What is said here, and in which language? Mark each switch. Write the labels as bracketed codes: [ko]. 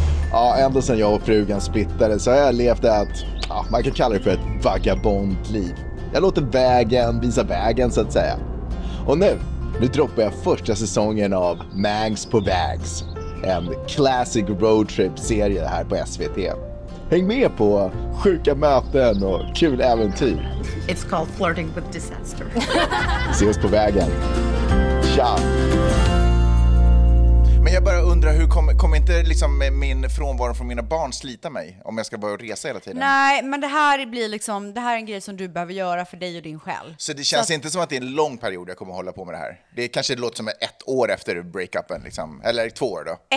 [sv] Ja, ända sedan jag och frugan splittade så har jag levt ett, man kan kalla det för ett vagabondliv. Jag låter vägen visa vägen så att säga. Och nu droppar jag första säsongen av Mangs på Vags. En classic roadtrip-serie här på SVT. Häng med på sjuka möten och kul äventyr. [en] It's called flirting with disaster. [sv] Ses på vägen. Tja! Men jag bara undrar, hur kommer inte liksom min frånvaro från mina barn slita mig om jag ska börja resa hela tiden? Nej, men det här blir liksom, det här är en grej som du behöver göra för dig och din själ. Så det känns så inte som att det är en lång period jag kommer hålla på med det här. Det kanske låter som ett år efter breakupen liksom, eller två år då.